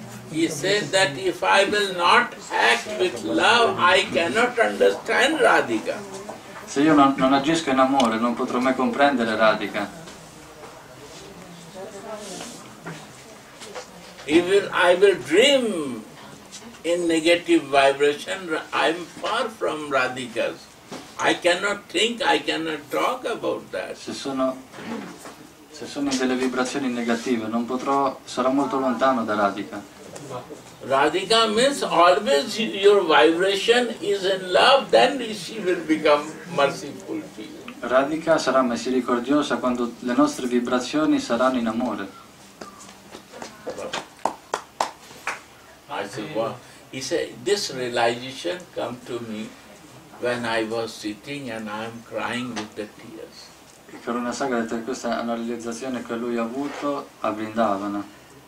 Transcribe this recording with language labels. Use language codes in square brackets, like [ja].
[en] He says that if I will not act with love, I cannot understand Radhika. [it] Se io non agisco in amore, non potrò mai comprendere Radhika. [en] I will dream in negative vibration, I'm far from Radhika's. I cannot think, I cannot talk about that. [it] Se sono delle vibrazioni negative, non potrò, sarò molto lontano da Radhika. [en] Radhika means always your vibration is in love, then she will become merciful to you. [it] Radhika sarà misericordiosa quando le nostre vibrazioni saranno in amore. [en] I said, well, he said, this realization come to me when I was sitting and I am crying with the tears. [it] E Karuna Sagar ha detto che questa è una realizzazione che lui ha avuto a Vrindavana.